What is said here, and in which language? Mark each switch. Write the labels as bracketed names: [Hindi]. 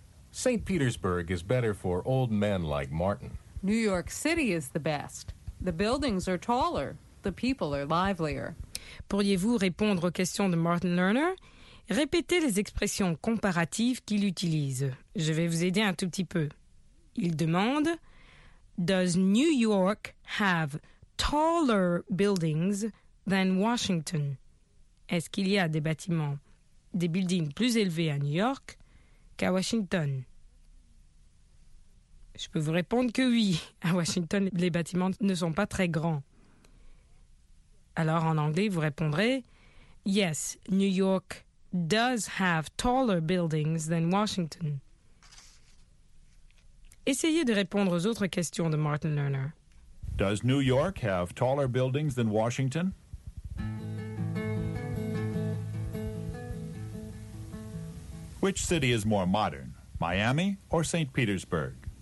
[English] St. Petersburg is better for old men like Martin. New York City is the best. The buildings are taller. The people are livelier. [French] Pourriez-vous répondre aux questions de Martin Lerner? Répétez les expressions comparatives qu'il utilise. Je vais vous aider un tout petit peu. Il demande, [English] Does New York have taller buildings than Washington? [French] Est-ce qu'il y a des bâtiments, des buildings plus élevés à New York qu'à Washington? Je peux vous répondre que oui. À Washington, les bâtiments ne sont pas très grands. Alors, en anglais, vous répondrez, [English] Yes, New York does have taller buildings than Washington. [French] Essayez de répondre aux autres questions de Martin Lerner. [English] Does New York have taller buildings than Washington? Which city is more modern, Miami or St. Petersburg?